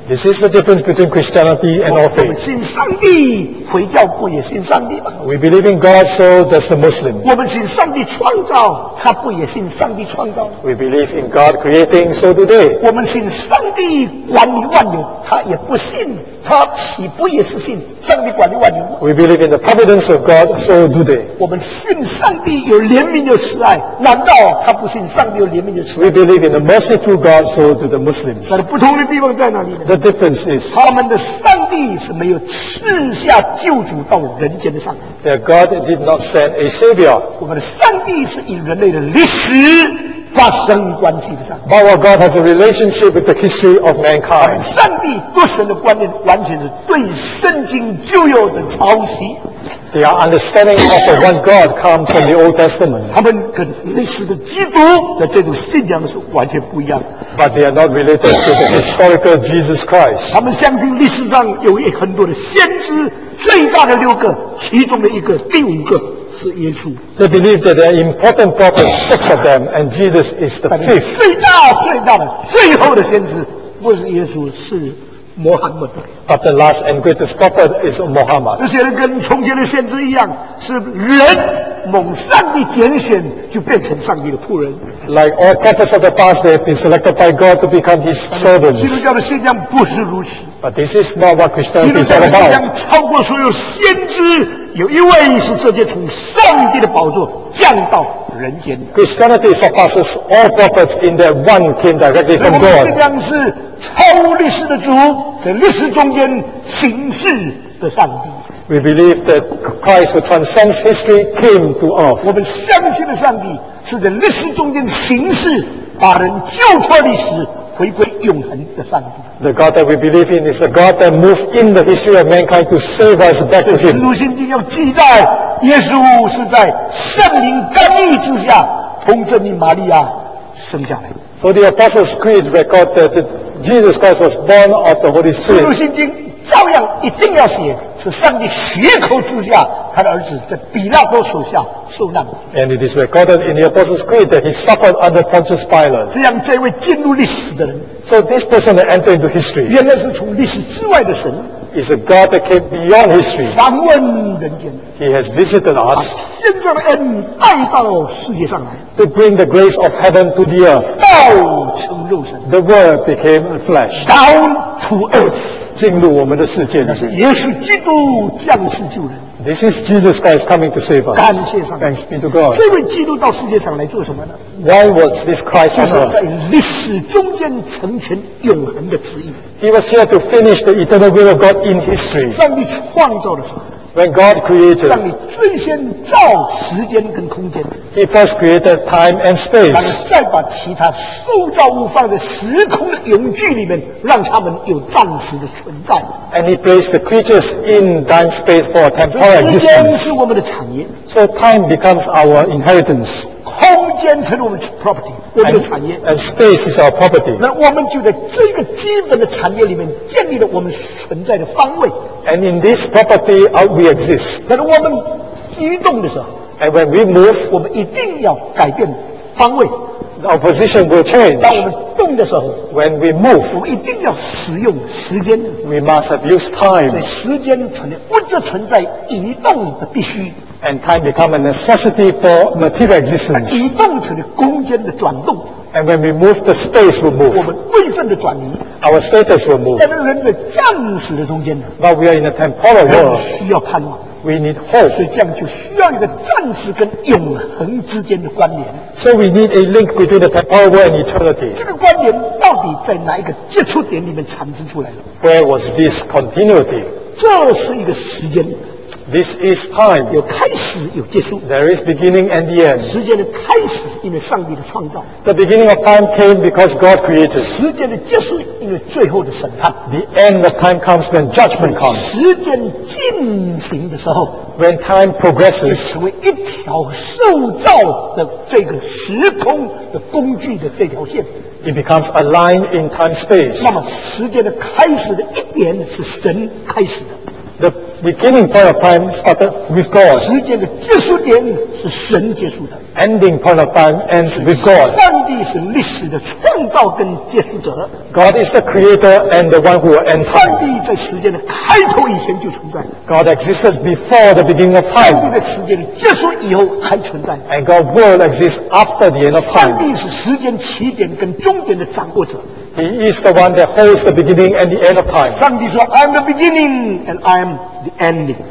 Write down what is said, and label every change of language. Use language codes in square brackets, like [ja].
[en] This is the difference between Christianity and all faith. [zh] 我们信上帝，回教不也信上帝吗？ [en] We believe in God, so does the Muslim. [zh] 我们信上帝创造，他不也信上帝创造？ [en] We believe in God creating, so do they. [zh] 我们信上帝管理万有，他也不信，他岂不也是信上帝管理万有？ [en] We believe in the providence of God, so do they. [zh] 我们信上帝有怜悯有慈爱，难道他不信上帝有怜悯有慈爱？ [en] We believe in the merciful God, so do the Muslims. [zh] 但不同的地方在哪里呢？ [en] The difference is, [zh] 他们的上帝是没有赐下救主到人间的上帝。 [en] That God did not send a savior. [zh] 我们的上帝是以人类的历史发生关系的上帝。 [en] But what God has a relationship with the history of mankind. [zh] 上帝和神的观念完全是对圣经旧约的抄袭。 [en] They are understanding of the one God comes from the Old Testament. [zh] 他们跟历史的基督的这种信仰是完全不一样。 [en] But they are not related to the historical Jesus Christ. [zh] 他们相信历史上有很多的先知，最大的六个，其中的一个，第五个。 [en] They believe that there are important prophets, six of them, and Jesus is the fifth. [zh] 最大最大的最后的先知不是耶稣，是摩罕默德。 [en] But the last and greatest prophet is Muhammad. [zh] 这些人跟从前的先知一样，是人蒙上帝拣选就变成上帝的仆人。 [en] Like all prophets of the past, they have been selected by God to become His servants. [zh] 基督教的信仰不是如此。 [en] But this is not what Christianity is about. [zh] 基督教的信仰超过所有先知。有一位是直接从上帝的宝座降到人间的。 [en] Christianity surpasses all prophets in that one came directly from God. [zh] 我们信仰是超历史的主，在历史中间行事的上帝。 [en] We believe that Christ who transcends history came to earth. [zh] 我们相信的上帝是在历史中间行事，把人救脱历史，回归永恒的上帝。 [en] The God that we believe in is the God that moved in the history of mankind to save us back to Him. [zh] 使徒信经要记载，耶稣是在圣灵甘露之下，从圣母玛利亚生下来。 [en] So the Apostles' Creed record that Jesus Christ was born of the Holy Spirit. [zh] 使徒信经照样一定要写，是上帝血口之下，他的儿子在比拉多手下受难。 [en] And it is recorded in the Apostles' Creed that he suffered under Pontius Pilate. [zh] 这样，这位进入历史的人 [en] ，So this person that entered into history， [zh] 原来是从历史之外的神。 [en] Is a God that came beyond history. [zh] 访问人间。 [en] He has visited us. [zh] 把天上的恩带到世界上来。 [en] To bring the grace of heaven to the earth. [zh] 道成肉身。 [en] The Word became flesh. Down to earth. [zh] 进入我们的世界里。耶稣基督降世救人。 [en] This is Jesus Christ coming to save us. [zh] 感谢上帝。 [en] Thanks be to God. [zh] 这位基督到世界上来做什么呢？ [en] Why was this Christ on earth? [zh] 就是在历史中间成全永恒的旨意。 [en] He was here to finish the eternal will of God in history. [zh] 上帝创造的时候。 [en] When God created. [zh] 上帝最先造时间跟空间。 [en] He first created time and space. [zh] 然后再把其他受造物放在时空的永距里面，让他们有暂时的存在。 [en] And he placed the creatures in time space for a temporary existence. [zh] 时间是我们的产业。 [en] So time becomes our inheritance. [zh] 空间成我们的 property。我们的产业 [en] and space is our property. [zh] 那我们就在这个基本的产业里面建立了我们存在的方位。 [en] And in this property, we exist. [zh] 但是我们移动的时候 [en] and when we move, [zh] 我们一定要改变方位。 [en] Our position will change. [zh] 当我们动的时候 [en] when we move, [zh] 我们一定要使用时间。 [en] We must have used time. [zh] 所以时间成了物质存在移动的必须。 [en] And time become a necessity for material existence. [zh] 移动成了空间的转动。 [en] And when we move, the space will move. [zh] 我们位分的转移。 [en] Our status will move. [zh] 但是人在暂时的中间呢。 [en] But we are in a temporal world. [zh] 需要盼望。 [en] We need hope. [zh] 所以这样就需要一个暂时跟永恒之间的关联。 [en] So we need a link between the temporal world and eternity. [zh] 这个关联到底在哪一个接触点里面产生出来的？ [en] Where was this continuity? [zh] 这是一个时间。 [en] This is time. [zh] 有开始，有结束。 [en] There is beginning and the end. [zh] 时间的开始，因为上帝的创造。 [en] The beginning of time came because God created. [zh] 时间的结束，因为最后的审判。 [en] The end of time comes when judgment comes. [zh] 时间进行的时候 [en] ，when time progresses， [zh] 就成为一条受造的这个时空的工具的这条线。 [en] It becomes a line in time space. [zh] 那么时间的开始的一点是神开始的。 [en] The beginning point of time started with God. [zh] 时间的结束点是神结束的。 [en] Ending point of time ends with God. [zh] 上帝是历史的创造跟结束者。 [en] God is the creator and the one who will end time. [zh] 上帝在时间的开头以前就存在。 [en] God existed before the beginning of time. [zh] 上帝在时间的结束以后还存在。 [en] And God will exist after the end of time. [zh] 上帝是时间起点跟终点的掌握者。 [en] He is the one that holds the beginning and the end of time. [zh] 上帝说 [en] I am the beginning and I am the ending.